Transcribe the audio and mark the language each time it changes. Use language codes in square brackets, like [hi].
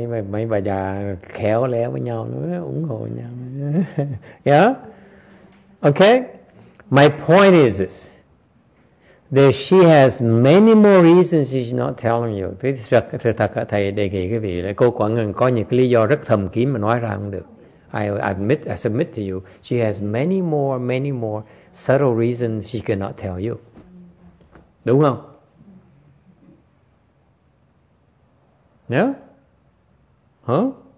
[vi] Mấy bà già khéo léo với nhau, ủng hộ nhau. [en] Yeah? Okay? My point is this, that she has many more reasons she's not telling you. [vi] Thế thật, thầy đề nghị quý vị, cô Quảng Ngân có những lý do rất thầm kín mà nói ra không được. [en] I submit to you, she has many more subtle reasons she cannot tell you. [vi] Đúng không? [en] Yeah? Huh?